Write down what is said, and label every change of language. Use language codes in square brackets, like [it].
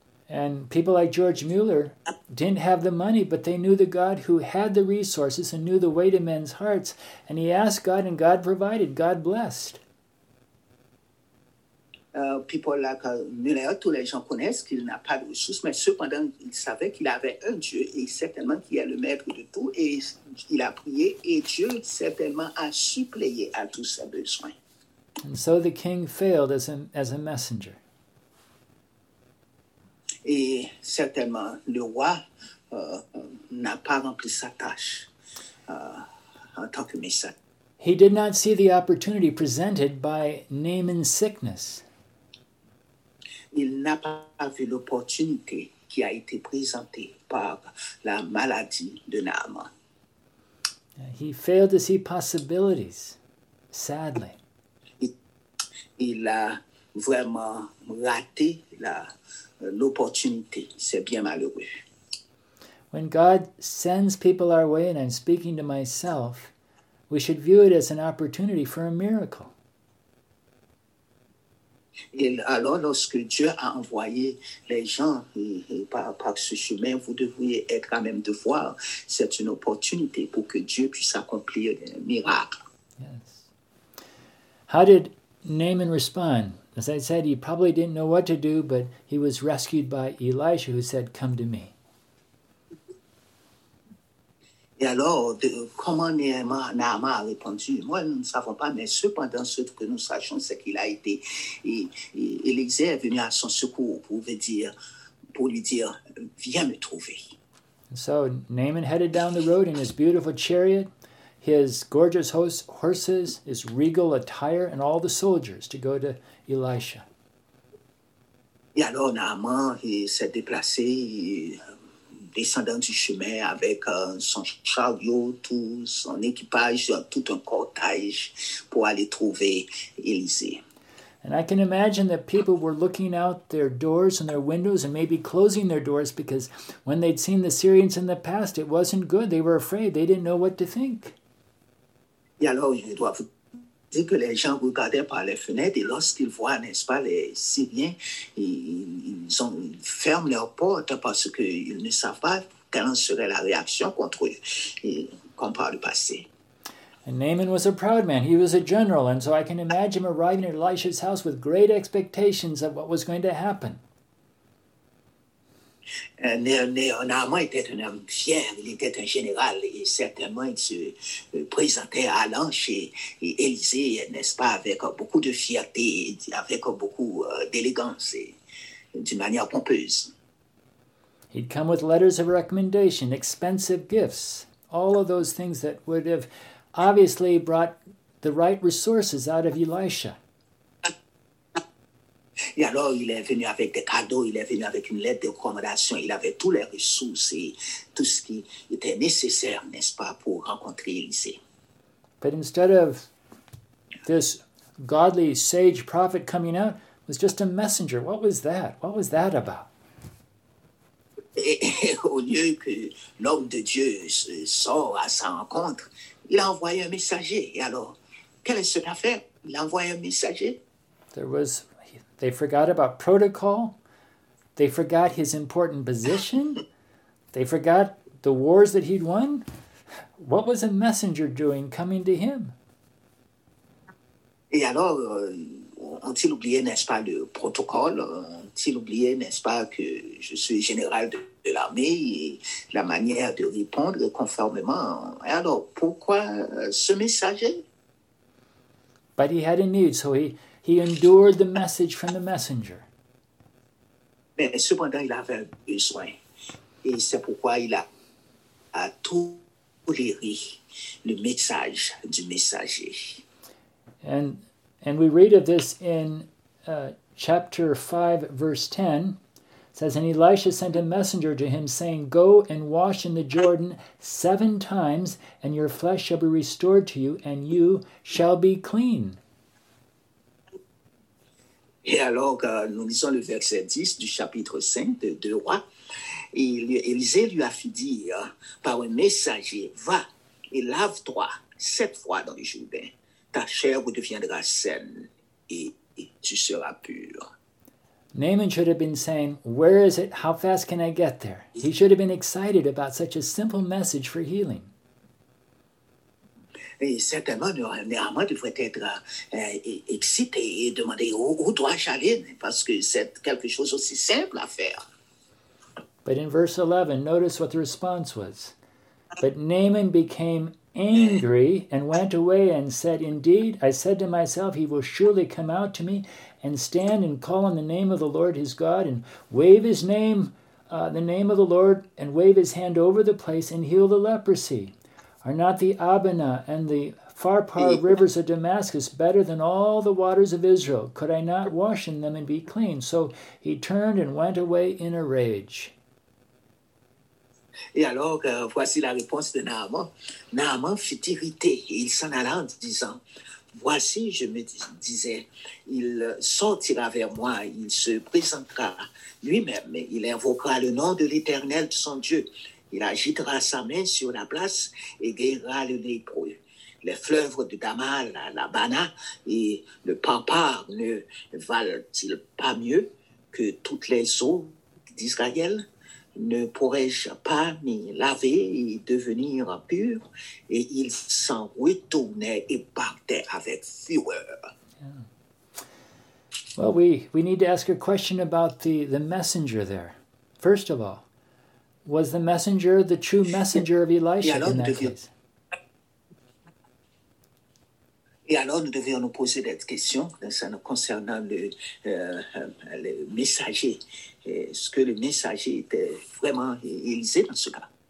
[en] And people like George Mueller didn't have the money, but they knew the God who had the resources and knew the way to men's hearts. And he asked God, and God provided. God blessed. People like Mueller, [fr] tous les gens connaissent qu'il n'a pas de ressources, mais cependant, il savait qu'il avait un Dieu, et certainement qu'il est le maître de tout, et il a prié, et Dieu certainement a suppléé à tous ses besoins. [en] And so the king failed as a messenger. [fr] Et certainement, le roi n'a pas rempli sa tâche en tant que messager. [en] He did not see the opportunity presented by Naaman's sickness. [fr] Il n'a pas vu l'opportunité qui a été présentée par la maladie de Naaman. [en] He failed to see possibilities, sadly. [fr] Il a vraiment raté l'opportunité. C'est bien malheureux. [en] When God sends people our way, and I'm speaking to myself, we should view it as an opportunity for a miracle. [fr] Et alors, lorsque Dieu a envoyé les gens par ce chemin, vous devriez être à même de voir, c'est une opportunité pour que Dieu puisse accomplir un miracle. [en] Yes. How did Naaman respond? As I said, he probably didn't know what to do, but he was rescued by Elisha, who said, come to me. [fr] Et alors, comment Naaman a répondu? Moi, nous ne savons pas, mais cependant, ce que nous sachons, c'est qu'il a été, Élisée est venu à son secours pour lui dire, viens me trouver. [en] And so, Naaman headed down the road in his beautiful chariot, his gorgeous horses, his regal attire, and all the soldiers to go to Elisha. [fr] Et alors, Naaman, il s'est déplacé, descendant du chemin avec son chariot, tout son équipage, tout un cortège pour aller trouver Élisée. [en] And I can imagine that people were looking out their doors and their windows and maybe closing their doors because when they'd seen the Syrians in the past, it wasn't good. They were afraid. They didn't know what to think. [fr] Et alors, je dois vous dire que les gens regardaient par les fenêtres et lorsqu'ils voient, n'est-ce pas, les Syriens, ils ferment leurs portes parce qu'ils ne savent pas quelle serait la réaction contre eux, comparé au passé. [en] And Naaman was a proud man. He was a general. And so I can imagine arriving at Elisha's house with great expectations of what was going to happen. [fr] Naaman était un homme fier, il était un général et certainement il se présentait à l'anche et Élisée, n'est-ce pas, avec beaucoup de fierté, avec beaucoup d'élégance et d'une manière pompeuse. [en] He'd come with letters of recommendation, expensive gifts, all of those things that would have obviously brought the right resources out of Elisha. [fr] Et alors, il est venu avec des cadeaux, il est venu avec une lettre de recommandation, il avait tous les ressources et tout ce qui était nécessaire, n'est-ce pas, pour rencontrer Élisée. [en] But instead of this godly sage prophet coming out, it was just a messenger. What was that? What was that about? [fr] Et au lieu que l'homme de Dieu sort à sa rencontre, il a envoyé un messager. Et alors, quelle est cette affaire? Il a envoyé un messager. [en] They forgot about protocol. They forgot his important position. They forgot the wars that he'd won. What was a messenger doing coming to him? [fr] Et alors, ont-ils oublié, n'est-ce pas, le protocole? Ont-ils oublié, n'est-ce pas, que je suis général de l'armée et la manière de répondre conformément? Et alors, pourquoi ce messager? [en] But he had a need, so he endured the message from the messenger. [fr] Mais cependant, il avait besoin. Et c'est pourquoi il a toléré le message du messager. [en] And we read of this in chapter 5, verse 10. It says, and Elisha sent a messenger to him, saying, go and wash in the Jordan 7 times, and your flesh shall be restored to you, and you shall be clean. [fr] Et alors, nous lisons le verset 10 du chapitre 5 de 2 Rois. Élisée lui a fait dire par un messager, va et lave-toi 7 fois dans le Jourdain. Ta chair redeviendra saine et tu seras pur. [en] Naaman should have been saying, where is it? How fast can I get there? He should have been excited about such a simple message for healing. [fr] Et certainement, Naaman devrait être excité et demander où dois-je aller, parce que c'est quelque chose aussi simple à faire. [en] But in verse 11, notice what the response was. But Naaman became angry and went away and said, indeed, I said to myself, he will surely come out to me and stand and call on the name of the Lord his God and wave his name, the name of the Lord, and wave his hand over the place and heal the leprosy. Are not the Abana and the Pharpar rivers of Damascus better than all the waters of Israel? Could I not wash in them and be clean? So he turned and went away in a rage. [fr] Et alors, voici la réponse de Naaman. Naaman fut irrité et il s'en alla en disant, voici, je me disais, il sortira vers moi, il se présentera lui-même, il invoquera le nom de l'Éternel, son Dieu. Il agitera sa main sur la place et guérira le lépreux. Les fleuves de Damas, la Bana et le Pampar ne valent-ils pas mieux que toutes les eaux d'Israël? Ne pourrais-je pas m'y laver et devenir pur? Et il s'en retournait et partait avec fureur. [en] Well, we need to ask a question about the messenger there. First of all, was the messenger the true messenger of [fr] Et [en] Elisha in [fr] alors, [en] that case? [fr] nous devions nous poser des questions concernant le messager. Est-ce que le messager était vraiment Élisée dans ce cas?